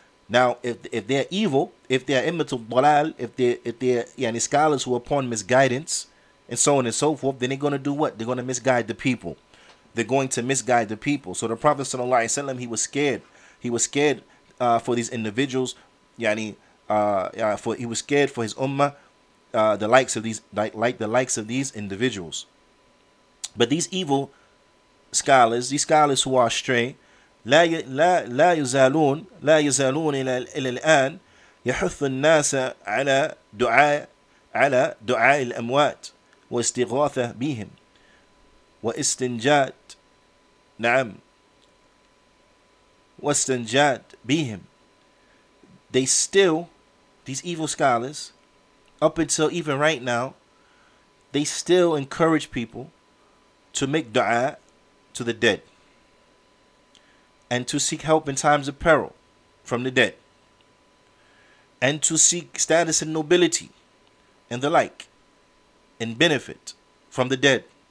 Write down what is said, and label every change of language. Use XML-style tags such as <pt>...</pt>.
<en>Now, if they're evil, if they're immature, dalal, if they're scholars who are upon misguidance and so on and so forth, then they're going to do what? They're going to misguide the people. They're going to misguide the people. So the Prophet sallallahu alaihi wasallam, he was scared. He was scared for these individuals. He was scared for his ummah, the likes of these individuals. But these evil scholars, these scholars who are astray,</en> <ar>لا يزالون إلى الآن يحث الناس على دعاء الأموات واستغاثة بهم واستنجات نعم واستنجات بهم.</ar> <en>They still, these evil scholars, up until even right now, they still encourage people to make dua to the dead and to seek help in times of peril from the dead, and to seek status and nobility and the like, and benefit from the dead.</en>